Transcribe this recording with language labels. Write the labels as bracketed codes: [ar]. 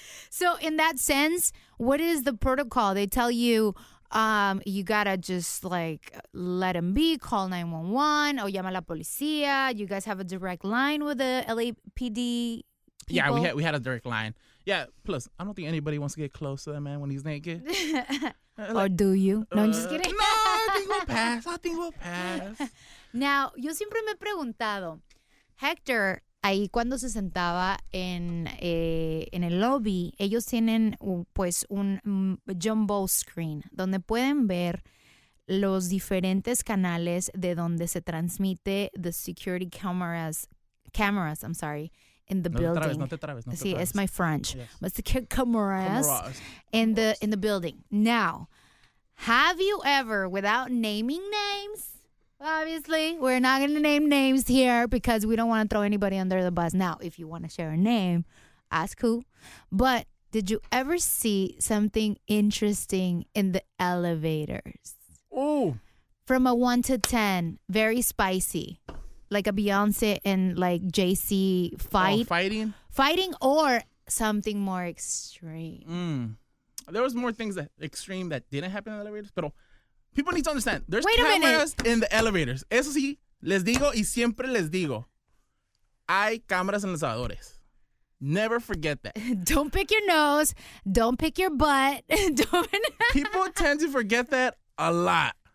[en] So in that sense, what is the protocol? They tell you you gotta just like let him be, call 911 or [es] llama la policía. [en] You guys have a direct line with the LAPD people? Yeah, we had a direct line. Yeah, plus I don't think anybody wants to get close to that man when he's naked. Like, or do you? No, I'm just kidding. No, I think we'll pass. [es] Now, yo siempre me he preguntado, Hector, ahí cuando se sentaba en el lobby, ellos tienen pues un jumbo screen donde pueden ver los diferentes canales de donde se transmite [en] the security cameras, I'm sorry, in the building. [es] No te trabes. Sí, es [en] my French. Yes. But security cameras in the building. Now, have you ever, without naming names, obviously, we're not going to name names here because we don't want to throw anybody under the bus. Now, if you want to share a name, ask who. But did you ever see something interesting in the elevators? Oh. From a 1 to 10, very spicy. Like a Beyonce and like JC fight. Oh, fighting? Fighting or something more extreme. There was more things that didn't happen in the elevators, but... People need to understand, there's cameras in the elevators. [es] Eso sí, les digo y siempre les digo, hay cámaras en los elevadores. [en] Never forget that. Don't pick your nose, don't pick your butt. People tend to forget that a lot.